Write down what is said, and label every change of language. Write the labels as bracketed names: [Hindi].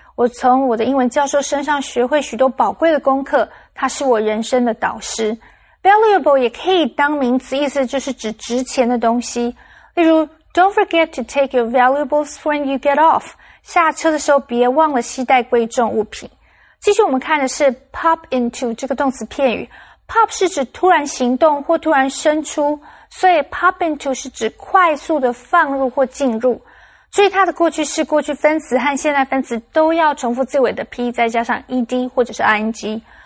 [Chinese] 我从我的英文教授身上学会许多宝贵的功课，他是我人生的导师。 Valuable 也可以当名词，意思就是指值钱的东西。例如 [English] Don't forget to take your valuables when you get off. [Chinese] 下车的时候别忘了携带贵重物品。继续我们看的是 pop into 这个动词片语。Pop 是指突然行动或突然伸出，所以 pop into 是指快速的放入或进入。注意它的过去式、过去分词和现在分词都要重复字尾的 p 再加上 ed 或者是 ing。